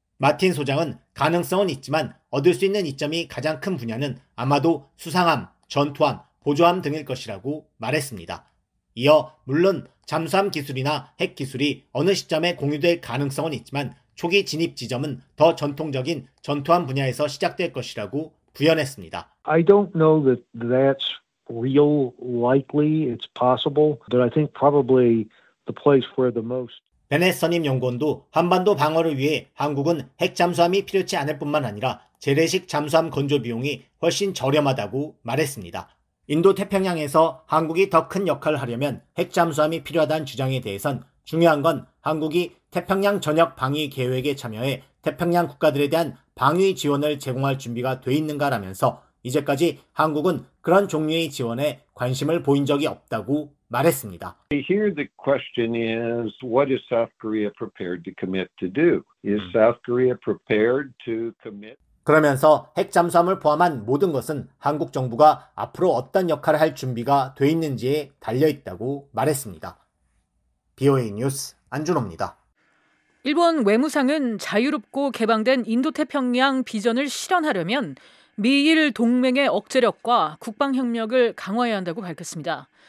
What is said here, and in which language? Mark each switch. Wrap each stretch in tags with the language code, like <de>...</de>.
<ko>마틴 소장은 가능성은 있지만 얻을 수 있는 이점이 가장 큰 분야는 아마도 수상함, 전투함, 보조함 등일 것이라고 말했습니다. 이어 물론 잠수함 기술이나 핵 기술이 어느 시점에 공유될 가능성은 있지만 초기 진입 지점은 더 전통적인 전투함 분야에서 시작될 것이라고 부연했습니다.</ko> <en>I don't know that that's real likely. It's possible, but I think probably the place where the most</en> <ko>베넷 선임 연구원도 한반도 방어를 위해 한국은 핵 잠수함이 필요치 않을 뿐만 아니라 재래식 잠수함 건조 비용이 훨씬 저렴하다고 말했습니다. 인도 태평양에서 한국이 더 큰 역할을 하려면 핵 잠수함이 필요하다는 주장에 대해선 중요한 건 한국이 태평양 전역 방위 계획에 참여해 태평양 국가들에 대한 방위 지원을 제공할 준비가 돼 있는가라면서 이제까지 한국은 그런 종류의 지원에 관심을 보인 적이 없다고 말했습니다.</ko> <en>Here the question is, what is South Korea prepared to commit to do? Is South Korea prepared to commit?</en> <ko>그러면서 핵 잠수함을 포함한 모든 것은 한국 정부가 앞으로 어떤 역할을 할 준비가 돼 있는지에 달려 있다고 말했습니다. BOA 뉴스 안준호입니다. 일본 외무상은 자유롭고 개방된 인도태평양 비전을 실현하려면 미일 동맹의 억제력과 국방협력을 강화해야 한다고 밝혔습니다.</ko>